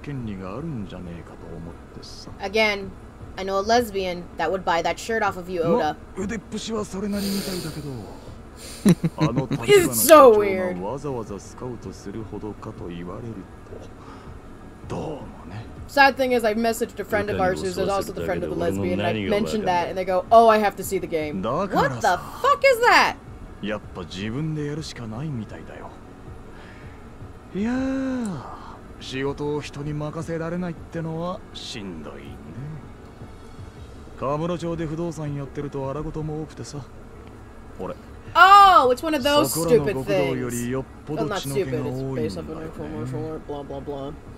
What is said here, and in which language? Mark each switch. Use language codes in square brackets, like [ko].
[ja] お前はオーダー。オーダー。よお。お前が俺を襲うようにさっきの連中を消しかけたんだ。なんでだ。あんただって俺たちを品定めしてたろ。ならこっちにもその権利があるんじゃねえかと思ってさ。 [en] Again, I know a lesbian that would buy that shirt off of you, Oda. [ja] ま、腕っぷしはそれなりみたいだけど。 [en] It's so weird. Sad thing is, I messaged a friend of ours who's also the friend of the lesbian, and I mentioned that, and they go, oh, I have to see the game. What the fuck is that? [ja] やっぱ自分でやるしかないみたいだよ。いやー、仕事を人に任せられないってのはしんどいね。河村町で不動産やってると荒事も多くてさ。ほれ。 [en] Oh, it's one of those stupid things. Well, not stupid, it's based off an infomercial, blah blah blah.